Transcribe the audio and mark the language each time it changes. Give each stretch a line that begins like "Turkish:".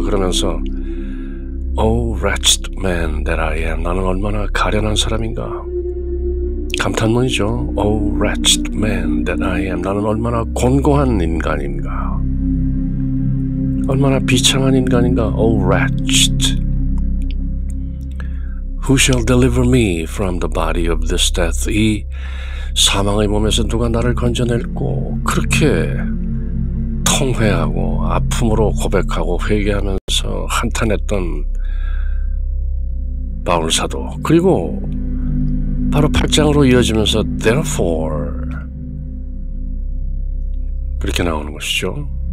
Korean: 그러면서
English: Oh, wretched man that I am.
Korean: 나는 얼마나 가련한 사람인가. 감탄문이죠.
English: Oh, wretched man that I am.
Korean: 나는 얼마나 곤고한 인간인가. 얼마나 비참한 인간인가.
English: Oh, wretched. Who shall deliver me from the body of this death?
Korean: 이 사망의 몸에서 누가 나를 건져낼꼬? 그렇게 통회하고 아픔으로 고백하고 회개하면서 한탄했던 바울사도. 그리고 바로 8장으로 이어지면서
English: therefore
Korean: 그렇게 나오는 것이죠.